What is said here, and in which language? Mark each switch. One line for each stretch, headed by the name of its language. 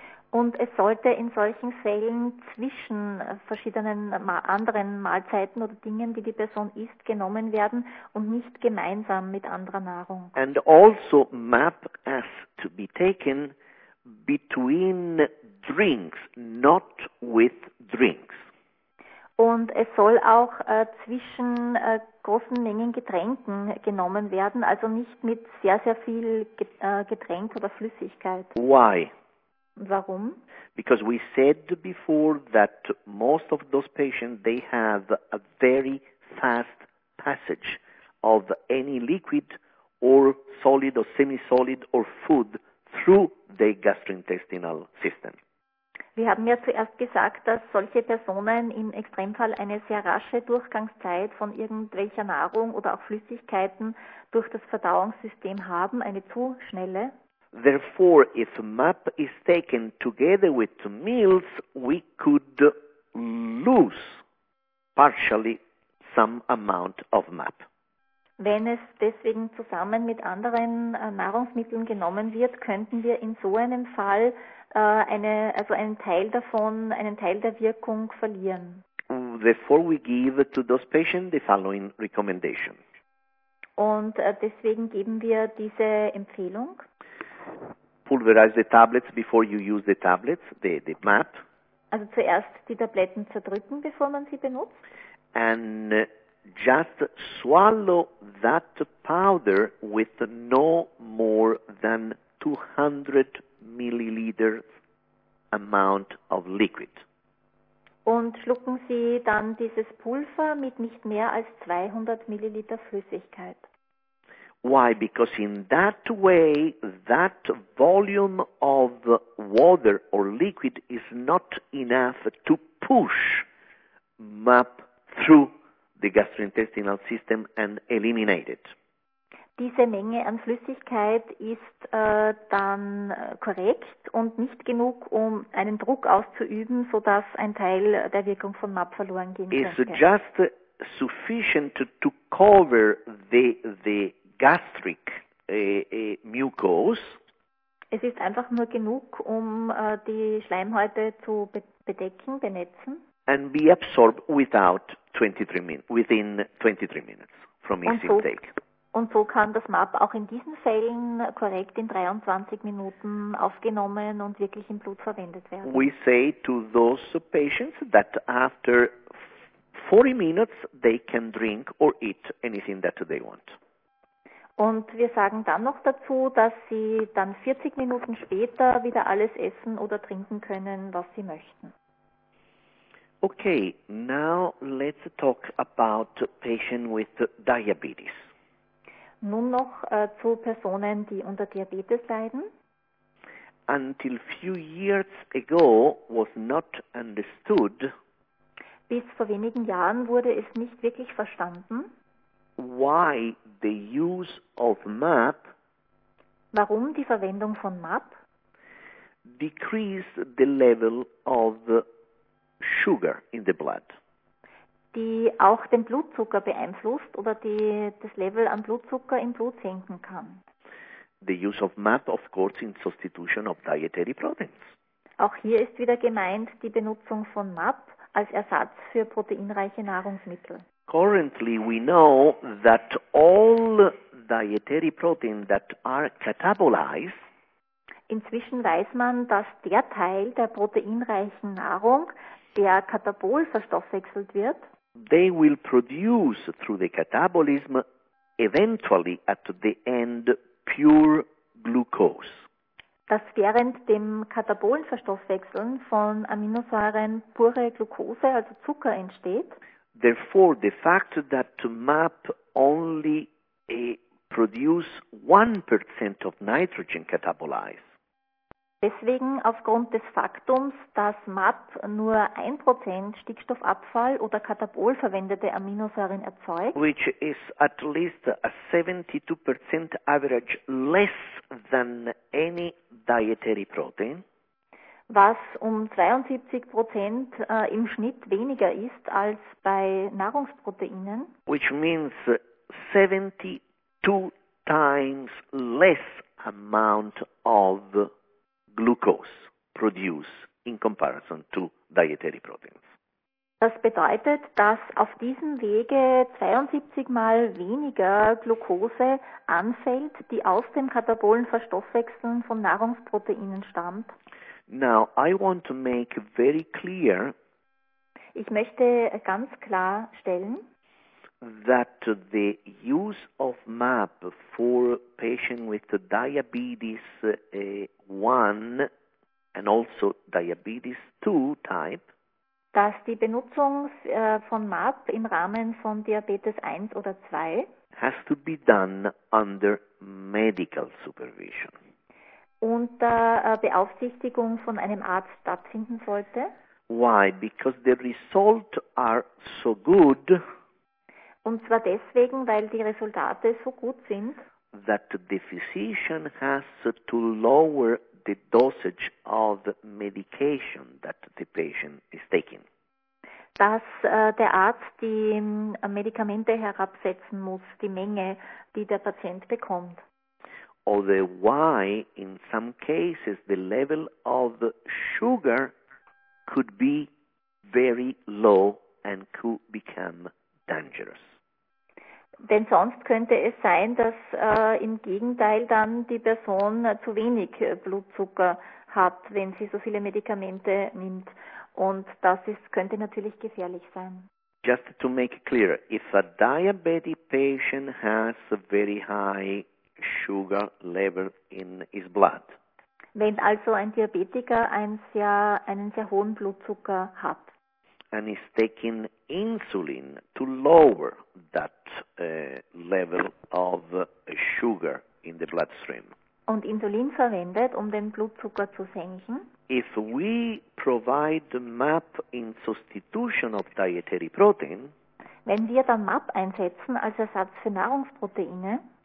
German: Und es sollte in solchen Fällen zwischen verschiedenen anderen Mahlzeiten oder Dingen, die die Person isst, genommen werden und nicht gemeinsam mit anderer Nahrung.
English: And also MAP has to be taken between drinks, not with drinks.
German: Und es soll auch zwischen großen Mengen Getränken genommen werden, also nicht mit sehr, sehr viel Getränk oder Flüssigkeit.
English: Why?
German: Warum?
English: Because we said before that most of those patients, they have a very fast passage of any liquid or solid or semi-solid or food through the gastrointestinal system.
German: Wir haben ja zuerst gesagt, dass solche Personen im Extremfall eine sehr rasche Durchgangszeit von irgendwelcher Nahrung oder auch Flüssigkeiten durch das Verdauungssystem haben, eine zu schnelle.
English: Therefore, if MAP is taken together with meals, we could lose partially some amount of MAP.
German: Wenn es deswegen zusammen mit anderen Nahrungsmitteln genommen wird, könnten wir in so einem Fall einen Teil der Wirkung verlieren.
English: Therefore, we give to those patients the following recommendation.
German: Und deswegen geben wir diese Empfehlung.
English: Pulverize the tablets before you use the tablets, the mat.
German: Also zuerst die Tabletten zerdrücken, bevor man sie benutzt.
English: And just swallow that powder with no more than 200 milliliter amount of liquid.
German: Und schlucken Sie dann dieses Pulver mit nicht mehr als 200 milliliter Flüssigkeit.
English: Why? Because in that way, that volume of water or liquid is not enough to push MAP through the gastrointestinal system and eliminate it.
German: Diese Menge an Flüssigkeit ist dann korrekt und nicht genug, um einen Druck auszuüben, sodass ein Teil der Wirkung von MAP verloren gehen könnte.
English: It's just sufficient to cover the gastric mucose.
German: Es ist einfach nur genug, um die Schleimhäute zu bedecken, benetzen.
English: And be absorbed within 23 minutes from its intake.
German: Und so kann das MAP auch in diesen Fällen korrekt in 23 Minuten aufgenommen und wirklich im Blut verwendet werden.
English: We say to those patients that after 40 minutes they can drink or eat anything that they want.
German: Und wir sagen dann noch dazu, dass sie dann 40 Minuten später wieder alles essen oder trinken können, was sie möchten.
English: Okay, now let's talk about patients with diabetes.
German: Nun noch zu Personen, die unter Diabetes leiden.
English: Until few years ago was not understood.
German: Bis vor wenigen Jahren wurde es nicht wirklich verstanden.
English: Why the use of MAP?
German: Warum die Verwendung von MAP?
English: Decreased the level of sugar in the blood.
German: Die auch den Blutzucker beeinflusst oder das Level an Blutzucker im Blut senken kann.
English: The use of MAP, of course, in substitution of dietary proteins.
German: Auch hier ist wieder gemeint die Benutzung von MAP als Ersatz für proteinreiche Nahrungsmittel.
English: Currently we know that all dietary proteins that are catabolized.
German: Inzwischen weiß man, dass der Teil der proteinreichen Nahrung, der katabol verstoffwechselt wird,
English: they will produce through the catabolism eventually at the end pure glucose.
German: Dass während dem katabolen Verstoffwechseln von Aminosäuren pure Glucose, also Zucker, entsteht.
English: Therefore, the fact that MAP only produce 1% of nitrogen catabolized.
German: Deswegen aufgrund des Faktums, dass MAP nur 1% Stickstoffabfall oder katabol verwendete Aminosäuren erzeugt,
English: which is at least a 72% average less than any dietary protein,
German: was um 72% im Schnitt weniger ist als bei Nahrungsproteinen,
English: which means 72 times less amount of glucose produced in comparison to dietary proteins.
German: Das bedeutet, dass auf diesem Wege 72 mal weniger Glucose anfällt, die aus dem katabolen Verstoffwechseln von Nahrungsproteinen stammt.
English: Now I want to make very clear.
German: Ich möchte ganz klar stellen,
English: that the use of MAP for patient with diabetes 1 and also diabetes 2 type,
German: dass die Benutzung von MAP im Rahmen von Diabetes 1 oder 2
English: has to be done under medical supervision.
German: Unter Beaufsichtigung von einem Arzt stattfinden sollte.
English: Why? Because the results are so good.
German: Und zwar deswegen, weil die Resultate so gut sind,
English: that the physician has to lower the dosage of medication that the patient is taking.
German: Dass der Arzt die Medikamente herabsetzen muss, die Menge, die der Patient bekommt.
English: Oder why in some cases the level of sugar could be very low and could become dangerous.
German: Denn sonst könnte es sein, dass im Gegenteil dann die Person zu wenig Blutzucker hat, wenn sie so viele Medikamente nimmt. Und das ist, könnte natürlich gefährlich sein.
English: Just to make it clear, if a diabetic patient has a very high sugar level in his blood,
German: wenn also ein Diabetiker einen sehr hohen Blutzucker hat,
English: and is taking insulin to lower that level of sugar in the bloodstream,
German: und Insulin verwendet, um den Blutzucker zu senken,
English: if we provide MAP in substitution of dietary protein,
German: wenn wir dann MAP einsetzen als Ersatz für Nahrungsproteine,